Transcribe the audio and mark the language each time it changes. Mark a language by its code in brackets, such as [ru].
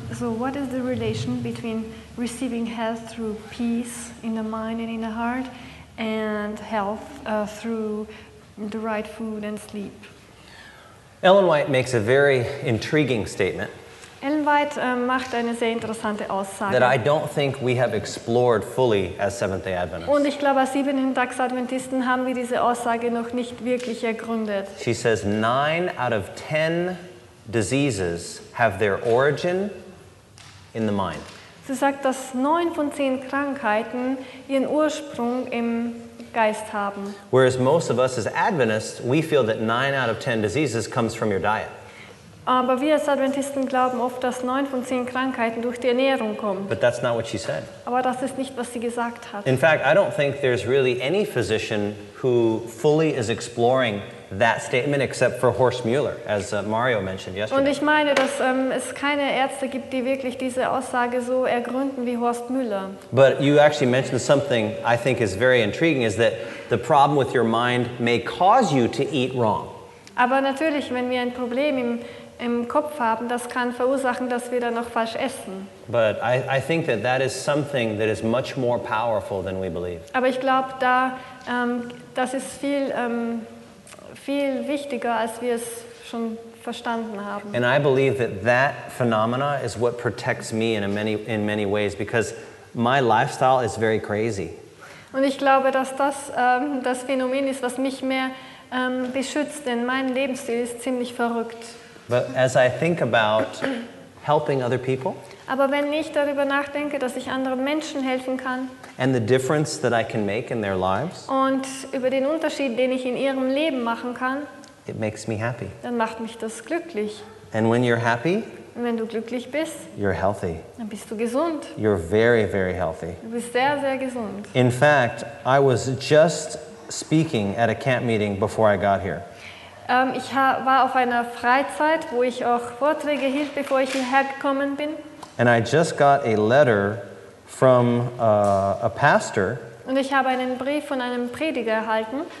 [en] So what is the relation between receiving health through peace in the mind and in the heart and health through the right food and sleep? Ellen White makes a very intriguing statement. [de] Ellen White macht eine sehr interessante Aussage. [en] That I don't think we have explored fully as Seventh-day Adventists. [de] Und ich glaube, als Siebenten-Tags-Adventisten haben wir diese Aussage noch nicht wirklich ergründet. [en] She says 9 out of 10 diseases have their origin in the mind. [de] Sie sagt, dass 9 von 10 Krankheiten ihren Ursprung im Geist haben. [en] Whereas most of us as Adventists, we feel that 9 out of 10 diseases comes from your diet. [de] Aber wir als Adventisten glauben oft, dass 9 von 10 Krankheiten durch die Ernährung kommen. [en] But that's not what she said. [de] Aber das ist nicht, was sie gesagt hat. [en] In fact, I don't think there's really any physician who fully is exploring that statement, except for Horst Mueller, as Mario mentioned yesterday. [de] Und ich meine, dass es keine Ärzte gibt, die wirklich diese Aussage so ergründen wie Horst Mueller. [en] But you actually mentioned something I think is very intriguing, is that the problem with your mind may cause you to eat wrong. [de] Aber natürlich, wenn wir ein Problem im Kopf haben, das kann verursachen, dass wir dann noch falsch essen. [en] But I think that is something that is much more powerful than we believe. [de] Aber ich glaube, da das ist viel viel wichtiger, als wir es schon verstanden haben. [en] And I believe that phenomena is what protects me in many ways, because my lifestyle is very crazy. [de] Und ich glaube, dass das das Phänomen ist, was mich mehr beschützt, denn mein Lebensstil ist ziemlich verrückt. [en] But as I think about helping other people, [de] aber wenn ich darüber nachdenke, dass ich anderen Menschen helfen kann, [en] and the difference that I can make in their lives, [de] und über den Unterschied, den ich in ihrem Leben machen kann, [en] it makes me happy. [de] Dann macht mich das glücklich. [en] And when you're happy, [de] wenn du glücklich bist, [en] you're healthy. [de] Dann bist du gesund. [en] You're very, very healthy. [de] Du bist sehr, sehr gesund. [en] In fact, I was just speaking at a camp meeting before I got here. [de] Ich war auf einer Freizeit, wo ich auch Vorträge hielt, bevor ich hierher gekommen bin. [en] And I just got a letter from a pastor. [de] Und ich habe einen Brief von einem Prediger erhalten.